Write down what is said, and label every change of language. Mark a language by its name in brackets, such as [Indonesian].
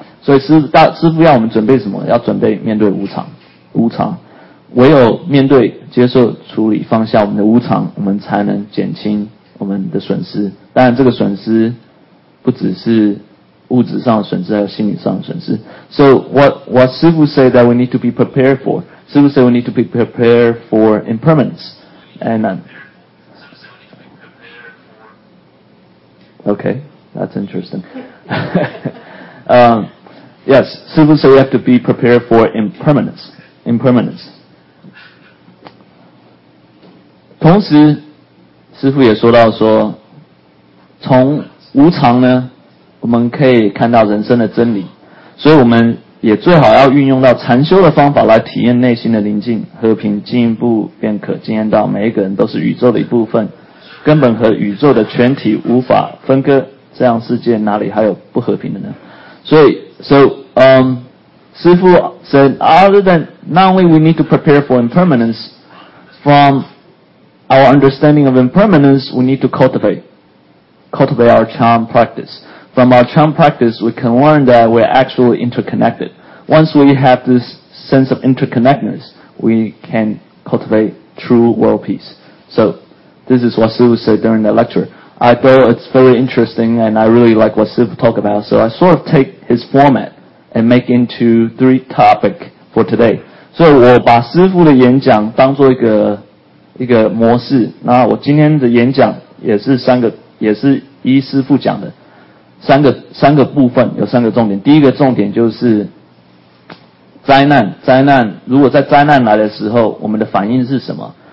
[Chinese] 所以师父要我们准备什么？要准备面对无常，无常。唯有面对、接受、处理、放下我们的无常，我们才能减轻我们的损失。当然，这个损失不只是物质上的损失，还有心理上的损失。 [English] So what 师父 say that we need to be prepared for? 师父 say we need to be prepared for impermanence. And Okay, that's interesting. yes, Sufu said we have to be prepared for impermanence. [Chinese] 同时，师父也说到说，从无常呢，我们可以看到人生的真理，所以我们也最好要运用到禅修的方法来体验内心的宁静和平，进一步便可经验到每一个人都是宇宙的一部分，根本和宇宙的全体无法分割，这样世界哪里还有不和平的呢？所以 [English] ，So， 师父 said other than not only we need to prepare for impermanence from our understanding of impermanence, we need to cultivate our charm practice. From our charm practice, we can learn that we're actually interconnected. Once we have this sense of interconnectedness, we can cultivate true world peace. So, this is what Sifu said during the lecture. I thought it's very interesting and I really like what Sifu talked about, so I sort of take his format and make into three topics for today. So, [Chinese] 我把Sifu的演讲当作一个模式，那我今天的演讲也是三个，也是依师父讲的三个部分，有三个重点。第一个重点就是灾难，如果在灾难来的时候，我们的反应是什么？